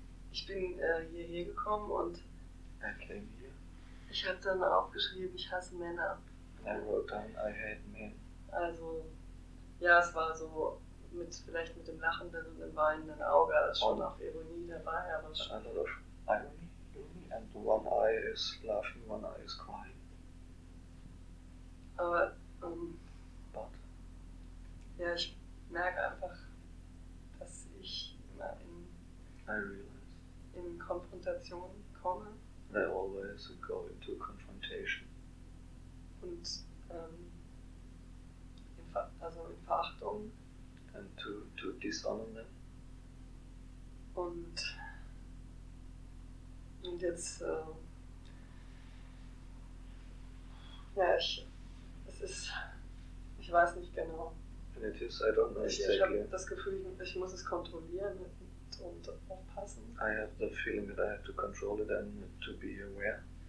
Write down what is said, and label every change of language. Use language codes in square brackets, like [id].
[de] ich bin hierher gekommen und okay. Ich habe dann aufgeschrieben, ich hasse Männer. [en] I wrote down, I hate men. [de] Also, ja, es war so mit vielleicht mit dem lachenden und dem weinenden Auge, das ist schon auch Ironie dabei, aber es ist schon. Ironie? [en] And one eye is laughing, one eye is crying. [de] Aber, [en] But. [de] Ja, ich merke einfach, dass ich immer in, [en] I realize. [de] In Konfrontation komme. [en] They always go into confrontation. [de] Und in Verachtung. [en] And to dishonor them. [de] Und jetzt ja, ich weiß nicht genau. [en] And it is, I don't know. [de] Ich habe das Gefühl, ich muss es kontrollieren. Und aufpassen. [en] I have the feeling that I have to control it and to be aware.